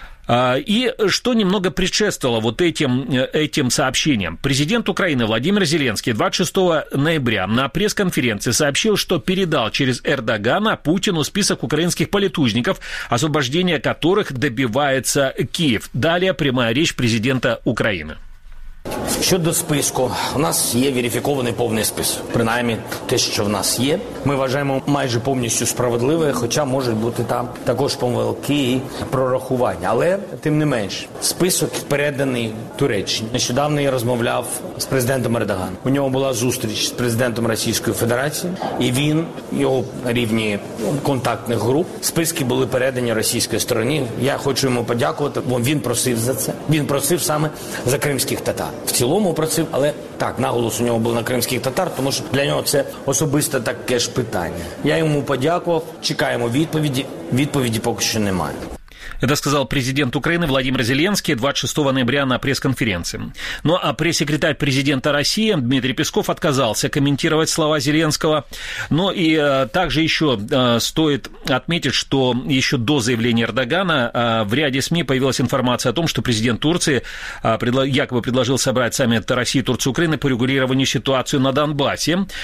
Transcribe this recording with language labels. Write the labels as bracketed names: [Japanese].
[Russian] И что немного предшествовало вот этим сообщениям? Президент Украины Владимир Зеленский 26 ноября на пресс-конференции сообщил, что передал через Эрдогана Путину список украинских политузников, освобождение которых добивается Киев. Далее прямая речь президента Украины. [Ukrainian] Щодо списку, у нас є верифікований повний список. Принаймні, те, що в нас є, ми вважаємо майже повністю справедливе, хоча можуть бути там також помилки і прорахування. Але, тим не менш, список переданий Туреччині. Нещодавно я розмовляв з президентом Ердоганом. У нього була зустріч з президентом Російської Федерації, і він, його рівні контактних груп, списки були передані російській стороні. Я хочу йому подякувати, бо він просив за це. Він просив саме за кримських татар. В цілому просив, але так, наголос у нього був на кримських татар, тому що для нього це особисте таке ж питання. Я йому подякував, чекаємо відповіді поки що немає. [Russian] Это сказал президент Украины Владимир Зеленский 26 ноября на пресс-конференции. Ну а пресс-секретарь президента России Дмитрий Песков отказался комментировать слова Зеленского. Но и также еще стоит отметить, что еще до заявления Эрдогана в ряде СМИ появилась информация о том, что президент Турции якобы предложил собрать саммит России, Турции, Украины по регулированию ситуации на Донбассе.